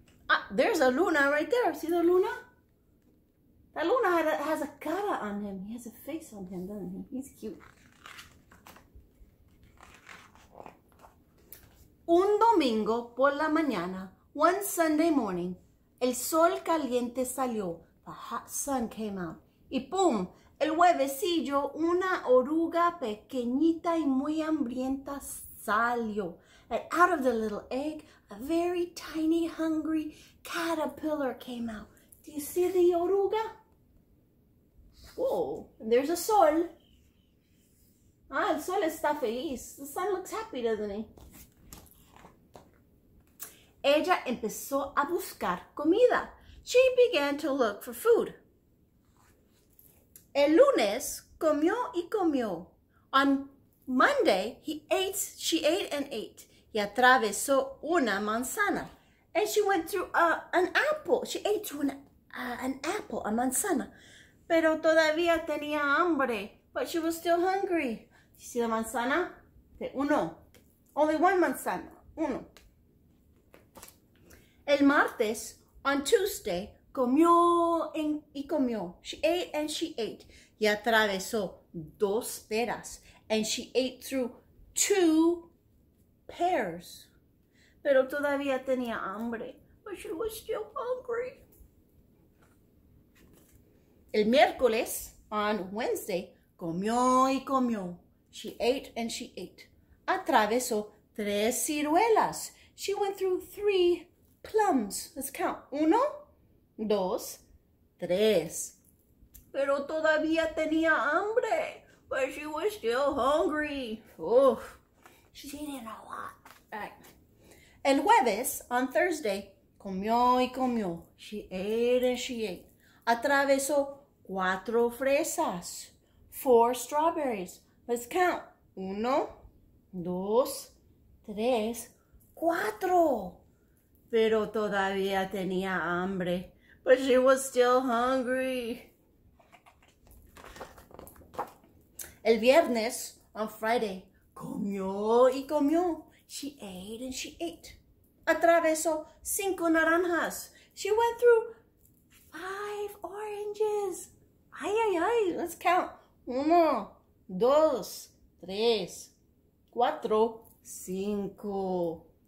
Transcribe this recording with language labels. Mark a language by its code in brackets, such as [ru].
[en] Ah, there's a luna right there. See the luna? That luna has a cara on him. He has a face on him, doesn't he? He's cute. [es] Un domingo por la mañana, [en] one Sunday morning, [es] el sol caliente salió, [en] the hot sun came out, [es] y pum, el huevecillo, una oruga pequeñita y muy hambrienta salió. [en] And out of the little egg, a very tiny, hungry caterpillar came out. Do you see the oruga? Whoa, there's a sol. [es] Ah, el sol está feliz. [en] The sun looks happy, doesn't it? [es] Ella empezó a buscar comida. [en] She began to look for food. [es] El lunes comió y comió. [en] On Monday, she ate and ate. [es] Y atravesó una manzana. [en] And she went through an apple. She ate through an apple, a manzana. [es] Pero todavía tenía hambre. [en] But she was still hungry. [es] ¿Sí la manzana? De uno. [en] Only one [es] manzana. Uno. El martes, [en] on Tuesday, [es] comió y comió. [en] She ate and she ate. [es] Y atravesó dos peras. [en] And she ate through two pears. [es] Pero todavía tenía hambre. [en] But she was still hungry. [es] El miércoles, [en] on Wednesday, [es] comió y comió. [en] She ate and she ate. [es] Atravesó tres ciruelas. [en] She went through three plums. Let's count. [es] Uno, dos, tres. Pero todavía tenía hambre. [en] But she was still hungry. Oh, she's eating a lot. Right. [es] El jueves, [en] on Thursday, [es] comió y comió. [en] She ate and she ate. [es] Atravesó cuatro fresas. [en] Four strawberries. Let's count. [es] Uno, dos, tres, cuatro. Pero todavía tenía hambre. [en] But she was still hungry. [es] El viernes, [en] on Friday, [es] comió y comió. [en] She ate and she ate. [es] Atravesó cinco naranjas. [en] She went through five oranges. Ay, ay, ay. Let's count. [es] Uno, dos, tres, cuatro, cinco.